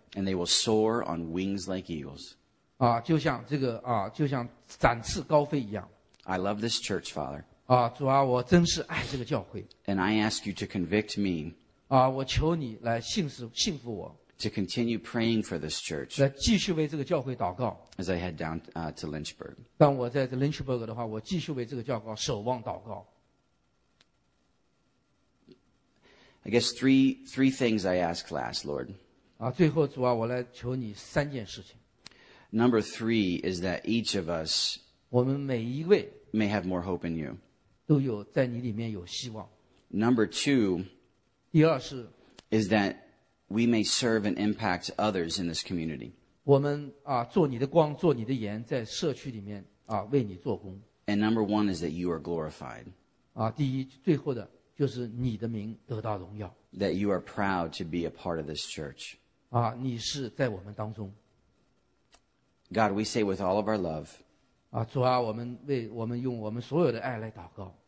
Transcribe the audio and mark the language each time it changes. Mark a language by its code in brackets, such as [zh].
[en] and they will soar on wings like eagles, [zh] 就像这个, 就像展翅高飞一样。 [en] I love this church, Father, [zh] 主啊, 我真是爱这个教会, [en] and I ask you to convict me, [zh] 我求你来信服我, [en] to continue praying for this church, [zh] 来继续为这个教会祷告, [en] as I head down to Lynchburg. [zh] 当我在Lynchburg的话, 我继续为这个教会守望祷告。 [en] I guess three things I ask last, Lord. [zh] 最后主啊, 我来求你三件事情。 [en] Number three is that each of us, [zh] 我们每一位, [en] may have more hope in you. [zh] 都有在你里面有希望。 [en] Number two, [zh] 第二是, [en] is that we may serve and impact others in this community. [zh] 我们, 做你的光, 做你的盐, 在社区里面, 为你做工。 [en] And number one is that you are glorified. [zh] 第一, 最后的, 就是你的名得到荣耀。 [en] That you are proud to be a part of this church. [zh] 你是在我们当中。 [en] God, we say with all of our love, [zh] 主啊, 我们为, 我们用我们所有的爱来祷告。